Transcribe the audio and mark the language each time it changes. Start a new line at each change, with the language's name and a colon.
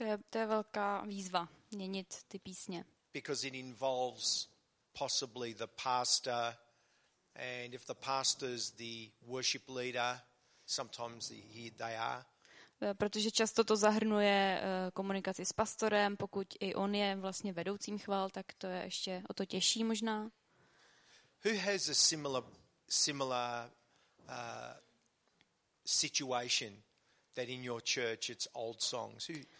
Czech: To je velká výzva měnit ty písně.
English: Because it involves possibly the pastor, and if the pastor's the worship leader, sometimes they are.
Czech: Protože často to zahrnuje komunikaci s pastorem, pokud i on je vlastně vedoucím chval, tak to je ještě o to těžší možná.
English: Who has a similar situation that in your church it's old songs?